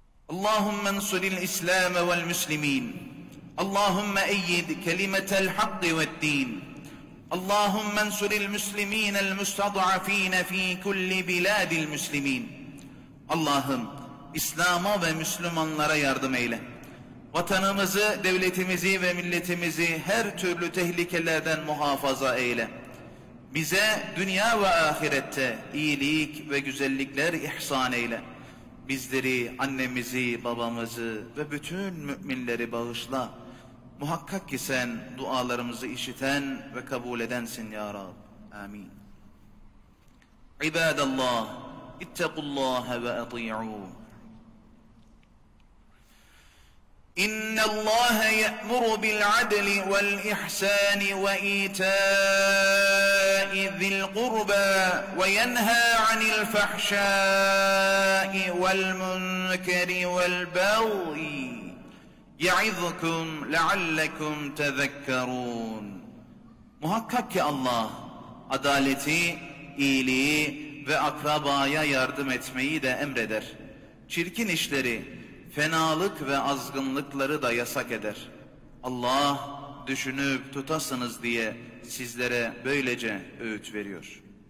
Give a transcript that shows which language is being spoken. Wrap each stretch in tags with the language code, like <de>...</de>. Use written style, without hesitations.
<ar>اللهم انصر الإسلام والمسلمين اللهم أيد كلمة الحق والدين اللهم انصر المسلمين المستضعفين في كل بلاد المسلمين</ar> <tr>Allah'ım İslam'a ve Müslümanlara yardım eyle. Vatanımızı, devletimizi ve milletimizi her türlü tehlikelerden muhafaza eyle. Bize dünya ve ahirette iyilik ve güzellikler ihsan eyle. Bizleri, annemizi, babamızı ve bütün müminleri bağışla. Muhakkak ki sen dualarımızı işiten ve kabul edensin ya Rab. Amin. İbadallah.</tr> <ar>اتقوا الله وأطيعوه إن الله يأمر بالعدل والإحسان وإيتاء ذي القربى وينهى عن الفحشاء والمنكر والبغي يعظكم لعلكم تذكرون محقق الله عدالتي إيلي</ar> <tr>ve akrabaya yardım etmeyi de emreder. Çirkin işleri, fenalık ve azgınlıkları da yasak eder. Allah düşünüp tutasınız diye sizlere böylece öğüt veriyor.</tr>